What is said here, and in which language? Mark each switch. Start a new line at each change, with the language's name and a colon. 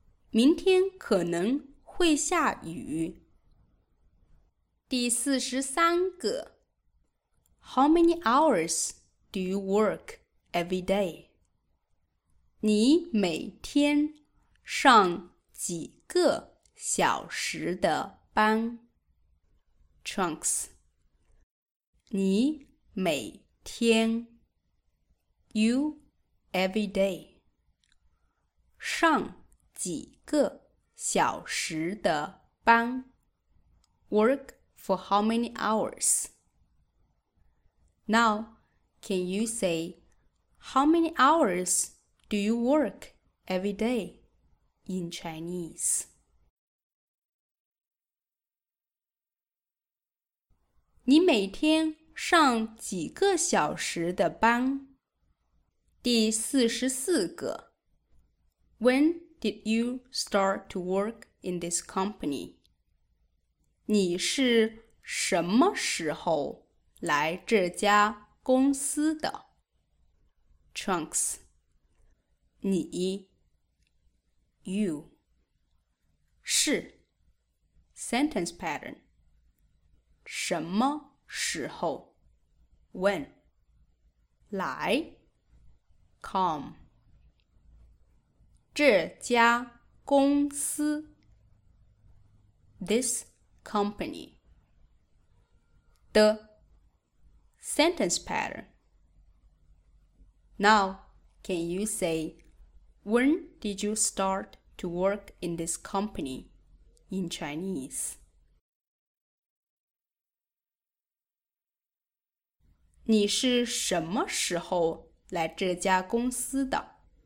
Chinese: 明天可能会下雨。第四十三个。
English: How many hours do you work every day?
Chinese: 你每天上几个小时的班?
English: Trunks.
Chinese: 你每天
English: You every day
Chinese: 上几个小时的班?
English: Work for how many hours? Now, can you say, "How many hours do you work every day?" in Chinese?
Chinese: 你每天上几个小时的班？第四十四个。
English: When did you start to work in this company?
Chinese: 你是什么时候来这家公司的
English: ？Trunks，
Chinese: 你
English: ，you，
Chinese: 是
English: ，sentence pattern，
Chinese: 什么时候
English: ？when，
Chinese: 来
English: ，come，
Chinese: 这家公司
English: ，this company. The sentence pattern. Now, can you say, when did you start to work in this company in Chinese?
Chinese: 你是什么时候来这家公司的？